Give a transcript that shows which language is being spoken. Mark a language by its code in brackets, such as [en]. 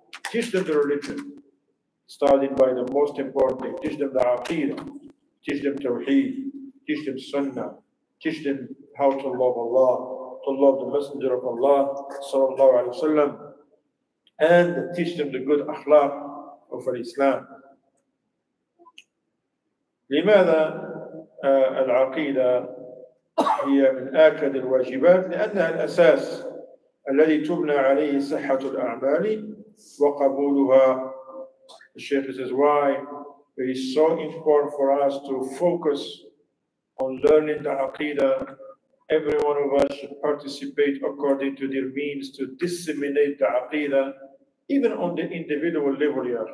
[en] Teach them the religion, starting by the most important thing. Teach them the aqidah, teach them tawheed, teach them sunnah, teach them how to love Allah, to love the Messenger of Allah, [ar] sallallahu alayhi wa sallam, [en] and teach them the good akhlaq of Islam. [ar] لماذا العقيدة هي من أكد الواجبات؟ لأنها الأساس الذي تبنى عليه صحة الأعمال وقبولها. [en] The Sheikh says why it is so important for us to focus on learning the عقيدة. Every one of us should participate according to their means to disseminate the عقيدة, even on the individual level.